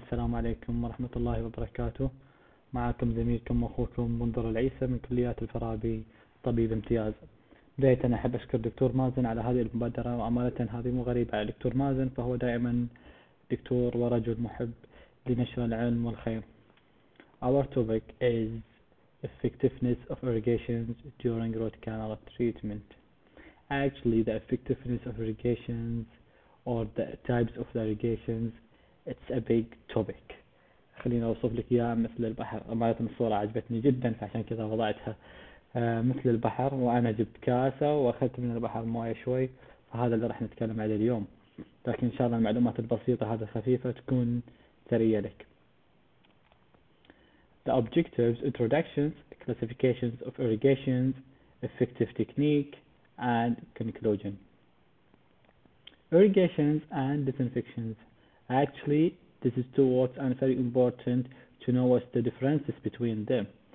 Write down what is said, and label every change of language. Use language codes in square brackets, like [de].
[ar] السلام عليكم ورحمة الله وبركاته. معكم زميلكم أخوكم منذر العيسى من كليات الفرابي طبيب امتياز. بداية أحب أشكر دكتور مازن على هذه المبادرة، وأمانة هذه مغريبة على دكتور مازن، فهو دائما دكتور ورجل محب لنشر العلم والخير. [en] Our topic is effectiveness of irrigations during root canal treatment. Actually, the effectiveness of irrigations or the types of the irrigations, it's a big topic. [ar] خلينا أوصف لك إياها مثل البحر. أمانة الصورة عجبتني جدا فعشان كذا وضعتها مثل البحر، وأنا جبت كاسة وأخذت من البحر موية شوي، فهذا اللي راح نتكلم عليه اليوم. لكن إن شاء الله المعلومات البسيطة هذه الخفيفة تكون سرية لك. [en] The objectives, introductions, classifications of irrigations, effective technique, and conclusion. Irrigations and disinfections. Actually, this is two words and very important to know what's the differences between them.